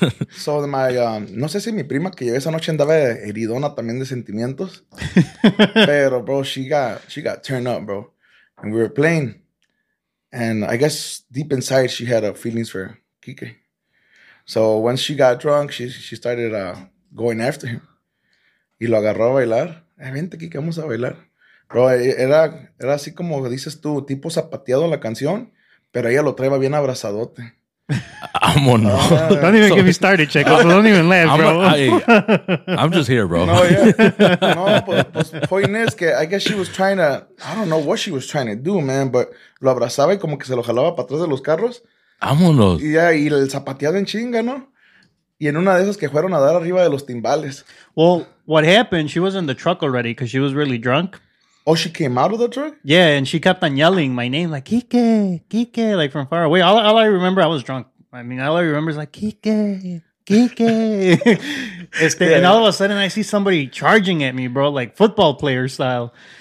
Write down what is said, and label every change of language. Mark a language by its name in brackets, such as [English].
[Spanish] So no sé si mi prima que llegué esa noche andaba heridona también de sentimientos. [English] Pero, bro, she got turned up, bro. And we were playing. And I guess deep inside, she had feelings for Kike. So once she got drunk, she started going after him. [Spanish] Y lo agarró a bailar. Vente, Kike, vamos a bailar. Bro, era así como dices tú, tipo zapateado la canción, pero ella lo traía bien abrazadote. Vámonos. [English] Don't even get me started, Checo. So don't even laugh, bro. I'm just here, bro. No, yeah. No, pues point is que I guess she was trying to, I don't know what she was trying to do, man, but [Spanish] lo abrazaba y como que se lo jalaba para atrás de los carros. Vámonos. Y el zapateado en chinga, ¿no? Y en una de esas que fueron a dar arriba de los timbales. [English] Well, what happened, she was in the truck already because she was really drunk. Oh, she came out of the truck? Yeah, and she kept on yelling my name, like, Kike, Kike, like from far away. All I remember, I was drunk. I mean, all I remember is like, Kike, Kike. Yeah. And all of a sudden, I see somebody charging at me, bro, like football player style.